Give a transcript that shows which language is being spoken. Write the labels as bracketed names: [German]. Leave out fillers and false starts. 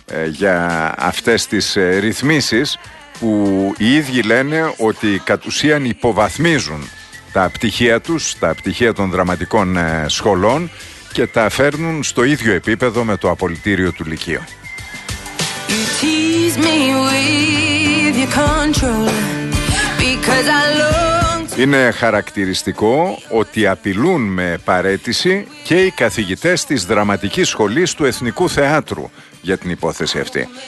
[Greek] για αυτές τις ρυθμίσεις που οι ίδιοι λένε ότι κατ' ουσίαν υποβαθμίζουν τα πτυχία τους, τα πτυχία των δραματικών σχολών και τα φέρνουν στο ίδιο επίπεδο με το απολυτήριο του Λυκείου. [English] You tease me with your control, because I long to... [Greek] Είναι χαρακτηριστικό ότι απειλούν με παραίτηση και οι καθηγητές της Δραματικής Σχολής του Εθνικού Θεάτρου για την υπόθεση αυτή.